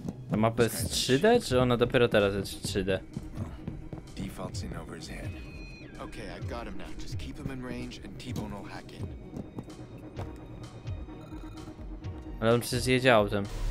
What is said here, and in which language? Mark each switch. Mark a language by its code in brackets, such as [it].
[pl] Ta mapa jest w 3D, czy ona dopiero teraz jest w 3D? [en] In over his head. Okay, I got him now. Just keep him in range and T-Bone will hack in. [pl] Ale on przecież jedzie autem.